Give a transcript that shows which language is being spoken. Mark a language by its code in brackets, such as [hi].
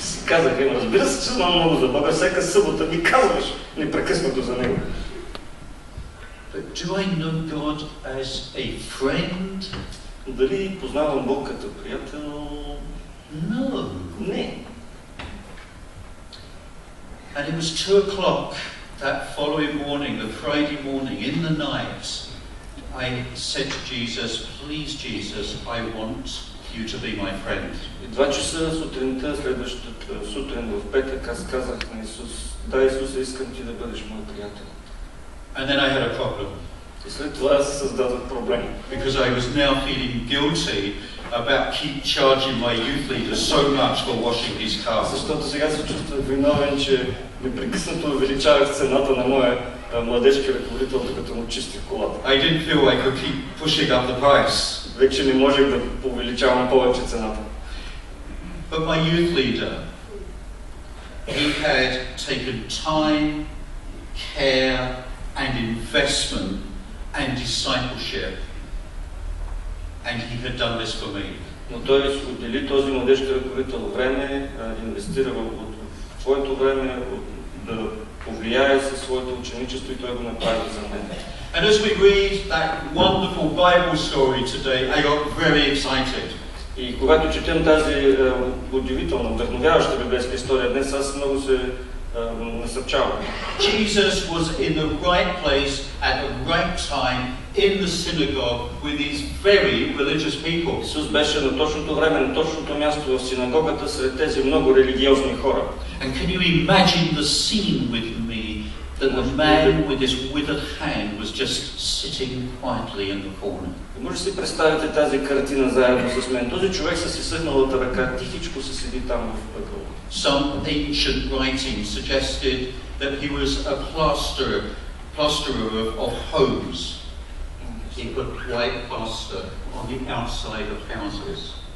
[bg] Си казах, разбира се, че знам много за Бога, всяка събота ми казваш непрекъснато за Него. [en] But do I know God as a friend? [bg] Дали познавам Бог като приятел? [en] No. [bg] Не. [en] And it was 2 o'clock that following morning, the Friday morning, in the night, I said to Jesus, please Jesus, I want you to be my friend. [bg] И 2 часа сутринта, следващата сутрин в петък, аз казах на Исус, да Исус, искам ти да бъдеш мой приятел. [en] And then I had a problem. [bg] И след това аз създадох проблем. [en] Because I was now feeling guilty about keep charging my youth leader so much for washing his car. [bg] Защото сега се чувствам виновен, че непрекъснато увеличавах цената на моя младежки ръководител, докато му чистих колата. [en] I didn't feel I could keep pushing up the price. [bg] Вече не можех да увеличавам повече цената. [en] But my youth leader, he had taken time, care and investment and discipleship. And he had done this for me. [bg] Но той отдели този младежки ръководител време, инвестира в своето време да повлияе със своето ученичество и той го направи за мен. [en] And as we read that wonderful Bible story today, I got very excited. [bg] И когато четем тази удивителна, вдъхновяваща библейска история днес, аз много се насърчавам. [en] Jesus was in the right place at the right time in the synagogue with these very religious people. [bg] Исус беше на точното време, на точното място в синагогата сред тези много религиозни хора. [en] And can you imagine the scene with me that the man with his withered hand was just sitting quietly in the corner? [bg] Може си представите тази картина заедно с мен. Този човек с изсъхналата ръка тихичко се седи там в ъгъла. [en] Some ancient writing suggested that he was a plasterer of homes. He put white plaster on the outside of houses.